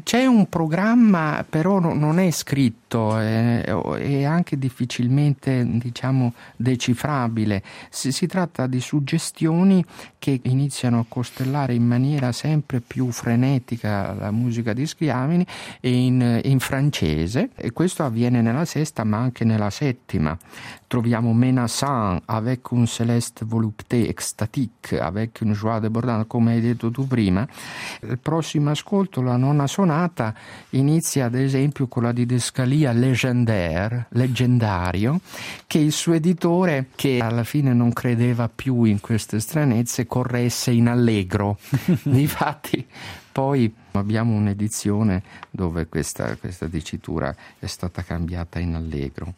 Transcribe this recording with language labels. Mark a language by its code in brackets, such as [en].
[it] c'è un programma, però non è scritto, è anche difficilmente, diciamo, decifrabile. Si tratta di suggestioni che iniziano a costellare in maniera sempre più frenetica la musica di Scriabin in francese, e questo avviene nella sesta, ma anche nella settima. Troviamo [fr] Menaçant avec un céleste volupté extatique, avec une joie débordante, [it] come hai detto tu prima. Il prossimo ascolto, la nona sonata, inizia ad esempio con la didascalia légendaire, leggendario, che il suo editore, che alla fine non credeva più in queste stranezze, corresse in allegro. Difatti, poi abbiamo un'edizione dove questa dicitura è stata cambiata in allegro.